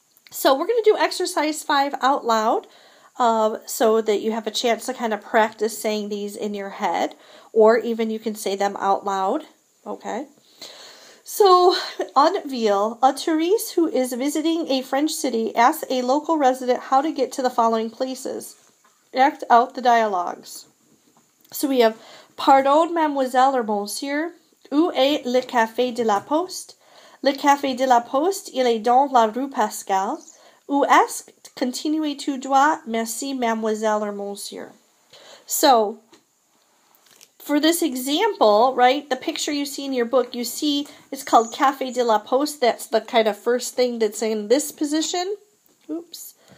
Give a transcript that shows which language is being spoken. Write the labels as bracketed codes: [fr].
[en] So we're going to do exercise 5 out loud so that you have a chance to kind of practice saying these in your head, or even you can say them out loud, okay? So, Anneville, a tourist who is visiting a French city asks a local resident how to get to the following places. Act out the dialogues. So we have, [fr] pardon, mademoiselle or monsieur, où est le café de la poste? Le café de la poste, il est dans la rue Pascal. Où est-ce? Continuez tout droit, merci, mademoiselle or monsieur. [en] So, for this example, right, the picture you see in your book, you see it's called Café de la Poste. That's the kind of first thing that's in this position. Oops.